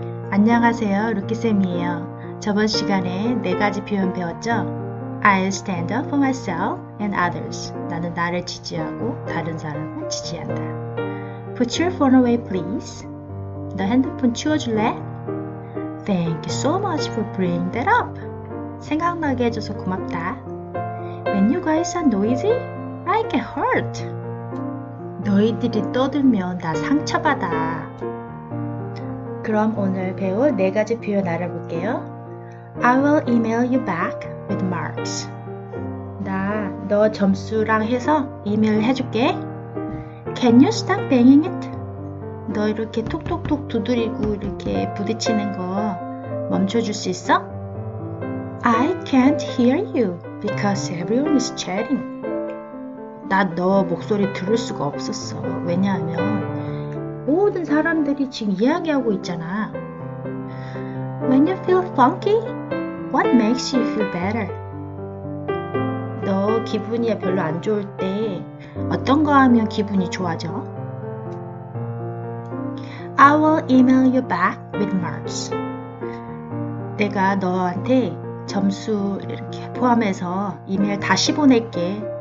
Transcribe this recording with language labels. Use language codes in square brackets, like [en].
[ko] 안녕하세요, 루키쌤이에요. 저번 시간에 네 가지 표현 배웠죠? [en] I stand up for myself and others. [ko] 나는 나를 지지하고 다른 사람을 지지한다. [en] Put your phone away, please. [ko] 너 핸드폰 치워줄래? [en] Thank you so much for bringing that up. [ko] 생각나게 해줘서 고맙다. [en] When you guys are noisy, I get hurt. [ko] 너희들이 떠들면 나 상처받아. 그럼 오늘 배울 네 가지 표현 알아볼게요. [en] I will email you back with marks. [ko] 나너 점수랑 해서 이메일 해줄게. [en] Can you stop banging it? [ko] 너 이렇게 톡톡톡 두드리고 이렇게 부딪히는 거 멈춰줄 수 있어? [en] I can't hear you because everyone is chatting. [ko] 나너 목소리 들을 수가 없었어. 왜냐하면 모든 사람들이 지금 이야기하고 있잖아. [en] When you feel funky, what makes you feel better? [ko] 너 기분이 별로 안 좋을 때 어떤 거 하면 기분이 좋아져? [en] I will email you back with marks. [ko] 내가 너한테 점수 이렇게 포함해서 이메일 다시 보낼게.